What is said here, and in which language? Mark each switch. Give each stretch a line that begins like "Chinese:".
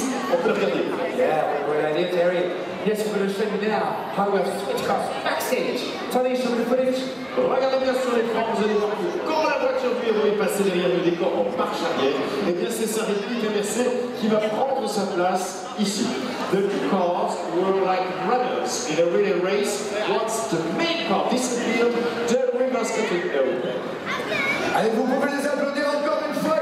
English: Yes, we're going to show you now how we have switched cars backstage. Tony, show me the footage.
French: Regardez bien sur l'écran, vous allez voir que quand la voiture du héros est passée derrière le décor en marche arrière, et bien c'est sa réplique inversée qui va prendre sa place ici.
English: The two cars were like runners in a relay race once the main car disappeared, the reverse car took over.
French: Allez, vous pouvez les applaudir encore une fois,